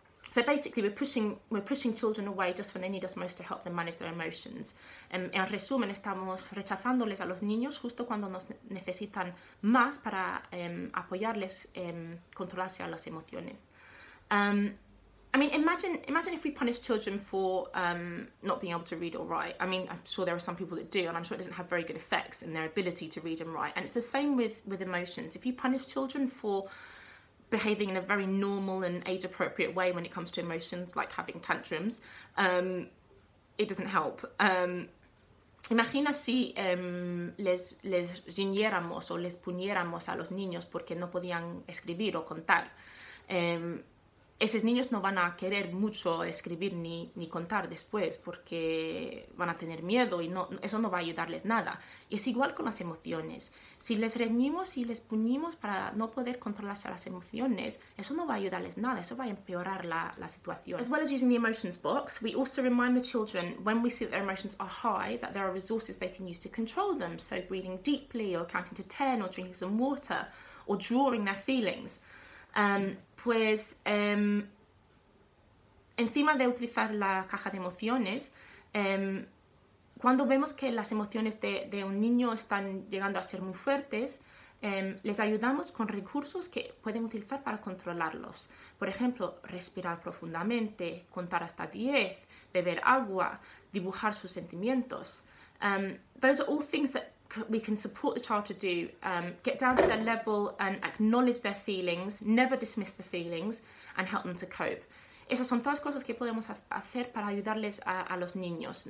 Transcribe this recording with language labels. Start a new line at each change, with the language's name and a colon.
English: So basically we're pushing children away just when they need us most to help them manage their emotions.
Spanish: En resumen, estamos rechazándoles a los niños justo cuando nos necesitan más para apoyarles controlarse a las emociones.
English: I mean, imagine if we punish children for not being able to read or write. I mean, I'm sure there are some people that do, and I'm sure it doesn't have very good effects in their ability to read and write. And it's the same with emotions. If you punish children for behaving in a very normal and age-appropriate way when it comes to emotions, like having tantrums, it doesn't help.
Spanish: Imagina si les riñéramos o les puniéramos a los niños porque no podían escribir o contar. Esos niños no van a querer mucho escribir ni contar después porque van a tener miedo y eso no va a ayudarles nada. Y es igual con las emociones. Si les reñimos y les puñimos para no poder controlarse a las emociones, eso no va a ayudarles nada, eso va a empeorar la situación.
English: As well as using the emotions box, we also remind the children when we see that their emotions are high that there are resources they can use to control them. So breathing deeply or counting to 10 or drinking some water or drawing their feelings.
Spanish: Pues encima de utilizar la caja de emociones, cuando vemos que las emociones de un niño están llegando a ser muy fuertes, les ayudamos con recursos que pueden utilizar para controlarlos. Por ejemplo, respirar profundamente, contar hasta 10, beber agua, dibujar sus sentimientos.
English: Those are all things that we can support the child to do, get down to their level and acknowledge their feelings, never dismiss the feelings, and help them to cope.
Spanish: Esas son todas cosas que podemos hacer para ayudarles a los niños.